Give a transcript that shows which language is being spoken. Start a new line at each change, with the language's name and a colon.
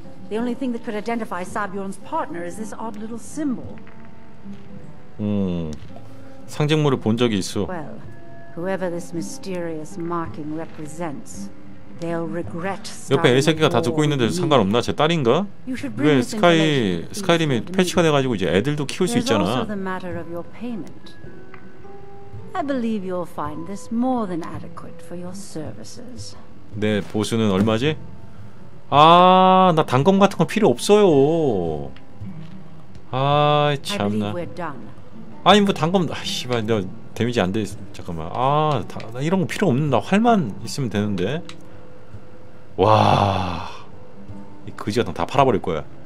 English: The only thing that could identify Sabion's partner is this odd little symbol.
Korean: 상징물을 본 적이 있어.
English: Well, whoever this mysterious marking represents, they'll regret.
Korean: 옆에 애새끼가 다 듣고 있는데 상관없나? 제 딸인가? 왜 스카이림이 패치가 돼가지고 이제 애들도 키울 수 있잖아.
English: There's also the matter of your payment. I believe you'll find this more than adequate for your services.
Korean: 내 보수는 얼마지? 아, 나 단검 같은 거 필요 없어요. 아, 참나. 아니 뭐 단검, 씨발, 내가 데미지 안 돼. 잠깐만. 아, 나 이런 거 필요 없는. 나 활만 있으면 되는데. 와, 이 거지가 다 팔아버릴 거야.